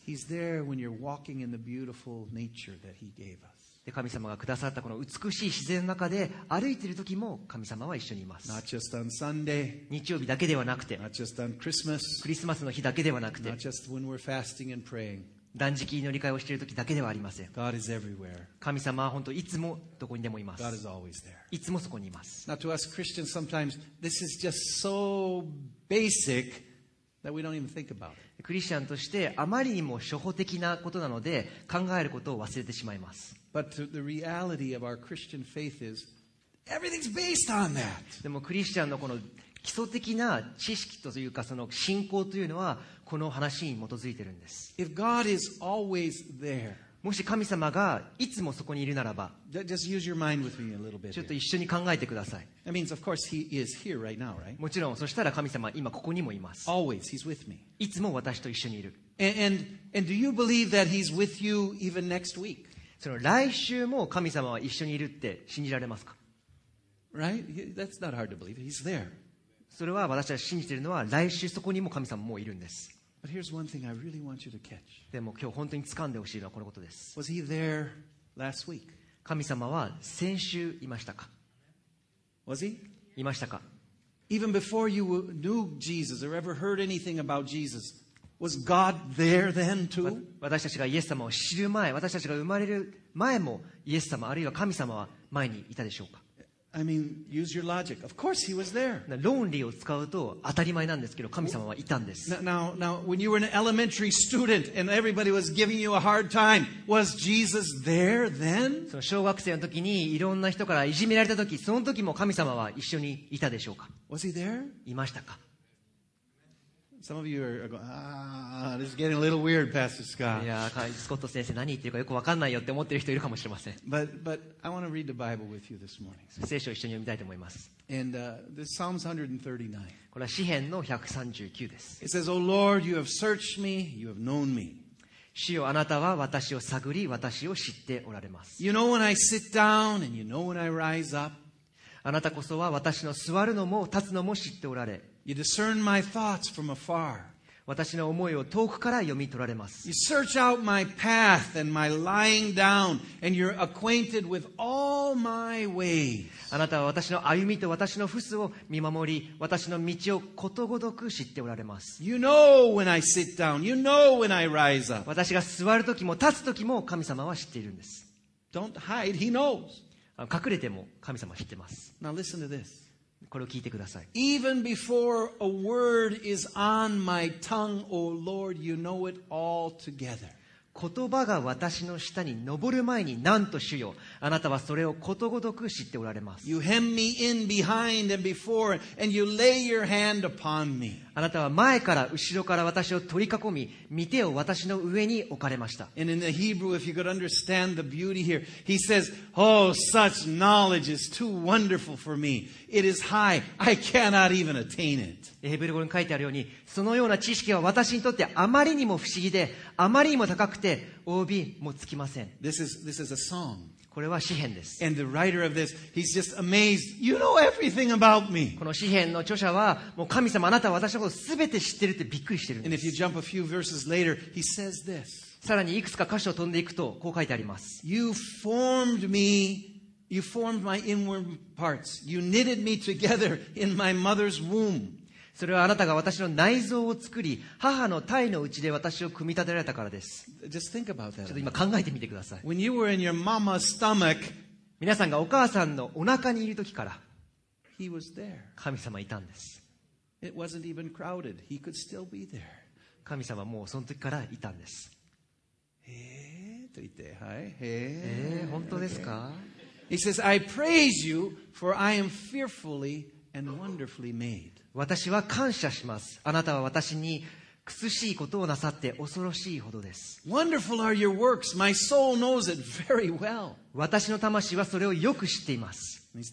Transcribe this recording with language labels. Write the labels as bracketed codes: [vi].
[en] He's there when you're walking in the beautiful nature that he gave us. [ja] で神様がくださったこの美しい自然の中で歩いている時も神様は一緒にいます。 [en] Not just on Sunday. [ja] 日曜日だけではなくて。 [en] Not just on Christmas. [ja] クリスマスの日だけではなくて。 [en] Not just when we're fasting and praying. [ja] 断食祈り会をしている時だけではありません。 [en] God is everywhere. [ja] 神様は本当いつもどこにでもいます。 [en] God is always there. [ja] いつもそこにいます。 [en] Now to us Christians, sometimes this is just so basic that we don't even think about it. [ja] クリスチャンとしてあまりにも初歩的なことなので考えることを忘れてしまいます。 [en] But the reality of our Christian faith is everything's based on that. [ja] でもクリスチャンのこの基礎的な知識というかその信仰というのはこの話に基づいているんです。 [en] If God is always there. [ja] もし神様がいつもそこにいるならば、ちょっと一緒に考えてください。 [en] That means, of course, he is here right now, right? [ja] もちろん、そしたら神様は今ここにもいます。 [en] Always, he's with me. [ja] いつも私と一緒にいる。 [en] And do you believe that he's with you even next week? [ja] その来週も神様は一緒にいるって信じられますか? [en] Right? That's not hard to believe. He's there. [ja] それは私たちが信じているのは来週そこにも神様もいるんです。 [en] But here's one thing I really want you to catch. [ja] でも今日本当に掴んでほしいのはこのことです。 [en] Was he there last week? [ja] 神様は先週いましたか? [en] Was he? [ja] いましたか? [en] Even before you knew Jesus or ever heard anything about Jesus, was God there then too? [ja] 私たちがイエス様を知る前、私たちが生まれる前もイエス様あるいは神様は前にいたでしょうか? [en] I mean, use your logic. Of course he was there. [ja] 論理を使うと当たり前なんですけど、神様はいたんです。 [en] Now, when you were an elementary student and everybody was giving you a hard time, was Jesus there then? [ja] その小学生の時にいろんな人からいじめられた時、その時も神様は一緒にいたでしょうか? [en] Was he there? [ja] いましたか? [en] Some of you are going, this is getting a little weird, Pastor Scott. [ja] いや、スコット先生何言ってるかよくわかんないよって思ってる人いるかもしれません。 [en] But I want to read the Bible with you this morning. [ja] 聖書を一緒に読みたいと思います。 [en] And this is Psalms 139. [ja] これは詩編の139です。 [en] It says, O Lord, you have searched me, you have known me. [ja] 主よ、あなたは私を探り、私を知っておられます。 [en] You know when I sit down and you know when I rise up. [ja] あなたこそは私の座るのも立つのも知っておられ。 [en] You discern my thoughts from afar. [ja] 私の思いを遠くから読み取られます。 [en] You search out my path and my lying down, and you're acquainted with all my ways. [ja] あなたは私の歩みと私の伏すを見守り、私の道をことごとく知っておられます。 [en] You know when I sit down. You know when I rise up. [ja] 私が座るときも立つときも神様は知っているんです。 [en] Don't hide. He knows. [ja] 隠れても神様は知ってます。 [en] Now listen to this. [ja] これを聞いてください。 [en] Even before a word is on my tongue, O Lord, you know it all together. [ja] 言葉が私の舌に上る前に、なんと主よ、あなたはそれをことごとく知っておられます。 [en] You hem me in behind and before, and you lay your hand upon me. [ja] あなたは前から後ろから私を取り囲み、御手を私の上に置かれました。 [en] And in the Hebrew, if you could understand the beauty here, he says, Oh, such knowledge is too wonderful for me. It is high. I cannot even attain it. [ja] ヘブル語に書いてあるように、そのような知識は私にとってあまりにも不思議で、あまりにも高くて、及びもつきません。 [en] This is a song. [ja] これは詩編です。 [en] And the writer of this, he's just amazed. You know everything about me. [ja] この詩編の著者はもう神様あなたは私のことすべて知ってるってびっくりしてるんです。 [en] And if you jump a few verses later, he says this. [ja] さらにいくつか箇所を飛んでいくとこう書いてあります。 [en] You formed me. You formed my inward parts. You knitted me together in my mother's womb. [ja] それはあなたが私の内臓を作り、母の胎のうちで私を組み立てられたからです。 [en] Just think about that. [ja] ちょっと今考えてみてください。 [en] When you were in your mama's stomach, [ja] 皆さんがお母さんのお腹にいる時から、 [en] He was there. [ja] 神様いたんです。 [en] It wasn't even crowded. He could still be there. [ja] 神様もうその時からいたんです。へえーと言って、はい。へえー、本当ですか？ [en] He says, I praise you, for I am fearfully and wonderfully made. [ja] 私は感謝します。あなたは私に美しいことをなさって恐ろしいほどです。 [en] Wonderful are your works. My soul knows it very well. [ja] 私の魂はそれをよく知っています。